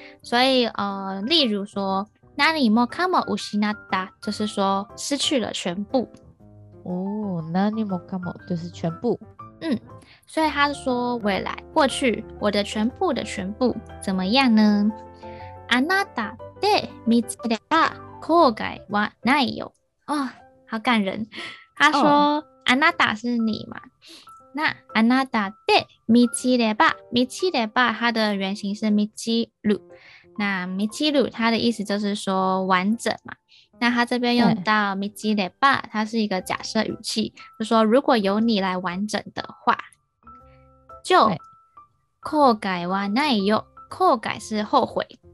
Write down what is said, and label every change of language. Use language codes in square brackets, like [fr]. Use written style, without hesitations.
[zh] 所以例如说 [ja] 何もかも失った， [zh] 就是说失去了全部。哦，那你么干嘛？就是全部。嗯，所以他是说未来、过去，我的全部的全部怎么样呢？ [ja] あなたで見つけた後悔はないよ。 [zh] 哦，好感人。他说あなた是你嘛？那 [ja] あなたで見つけた，見つけた， [zh] 它的原型是見つける。那見つける，它的意思就是说完整嘛。那他这边用到見つけば，它是一个假设语气，就说如果由你来完整的话，就 [ja] 後悔はないよ。 [zh] 後悔是后悔